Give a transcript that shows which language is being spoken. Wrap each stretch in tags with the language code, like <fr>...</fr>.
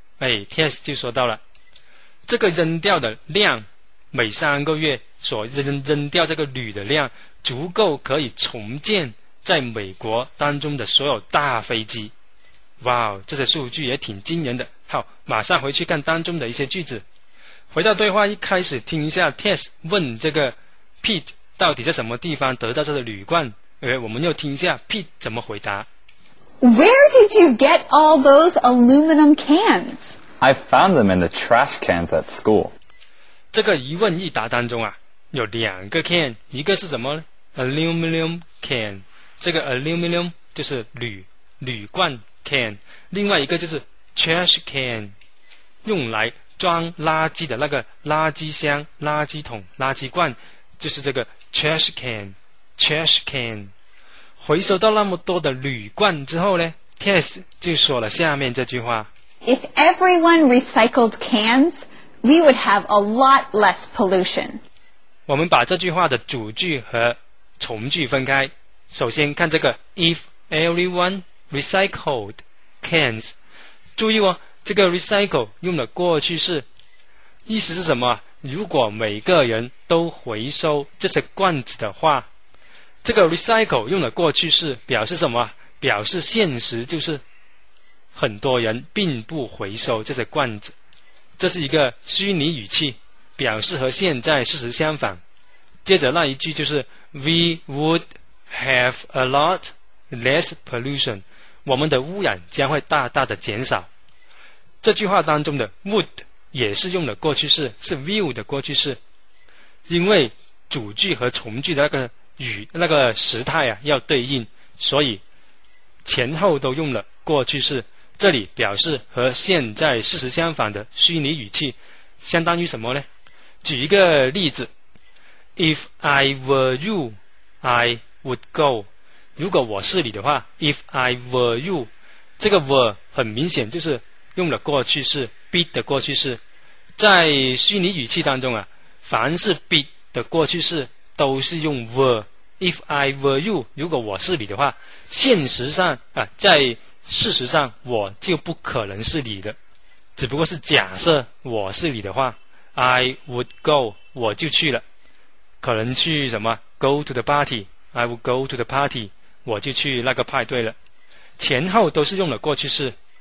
<zh>哎 ,TS 就说到了，这个扔掉的量，每3个月所扔掉这个铝的量，足够可以重建在美国当中的所有大飞机。哇，这些数据也挺惊人的。好，马上回去看当中的一些句子。回到对话一开始，听一下 TS 问这个 Pete 到底在什么地方得到这个铝罐，我们又听一下 Pete 怎么回答。</zh> <en>Where did you get all those aluminum cans? I found them in the trash cans at school.</en> <zh>这个一问一答当中啊，有两个 can, 一个是什么呢？</zh> <en>Aluminum can.</en> <zh>这个 aluminum 就是铝，铝罐 can. 另外一个就是 trash can, 用来装垃圾的那个垃圾箱、垃圾桶、垃圾罐，就是这个 trash can, trash can。回收到那么多的铝罐之后呢 ，Tess 就说了下面这句话</zh> <en>：If everyone recycled cans, we would have a lot less pollution。</en> <zh>我们把这句话的主句和从句分开。首先看这个 ，</zh> <en>If everyone recycled cans，</en> <zh>注意哦，这个 recycle 用了过去式，意思是什么？如果每个人都回收这些罐子的话。这个 recycle 用了过去式表示什么？表示现实，就是很多人并不回收这些罐子，这是一个虚拟语气，表示和现在事实相反。接着那一句就是</zh> <en>We would have a lot less pollution，</en> <zh>我们的污染将会大大的减少。这句话当中的 would 也是用了过去式，是 will 的过去式，因为主句和从句的那个与那个时态啊要对应，所以前后都用了过去式。这里表示和现在事实相反的虚拟语气，相当于什么呢？举一个例子</zh> <en>，If I were you, I would go。</en> <zh>如果我是你的话 ，</zh> <en>If I were you，</en> <zh>这个 were 很明显就是用了过去式 be 的过去式。在虚拟语气当中啊，凡是 be 的过去式。都是用 were，</zh> <en>if I were you，</en> <zh>如果我是你的话，现实上啊，在事实上我就不可能是你的，只不过是假设我是你的话，</zh> <en>I would go，</en> <zh>我就去了，可能去什么</zh> <en>go to the party， I would go to the party，</en> <zh>我就去那个派对了，前后都是用了过去式。</zh>